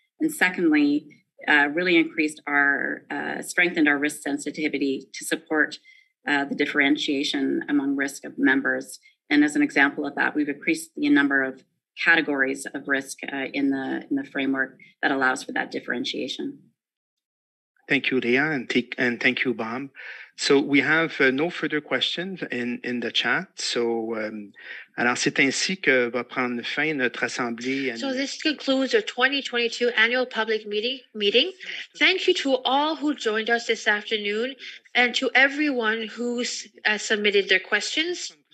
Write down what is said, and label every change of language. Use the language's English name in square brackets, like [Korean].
[English] And secondly, really increased our, strengthened our risk sensitivity to support the differentiation among risk of members. And as an example of that, we've increased the number of categories of risk in the framework that allows for that differentiation. Thank you, Leah, and thank you, Bob. So we have no further questions in the chat. [French] So, alors c'est ainsi que va prendre fin notre assemblée. [English] So this concludes our 2022 annual public meeting. Thank you to all who joined us this afternoon and to everyone who submitted their questions.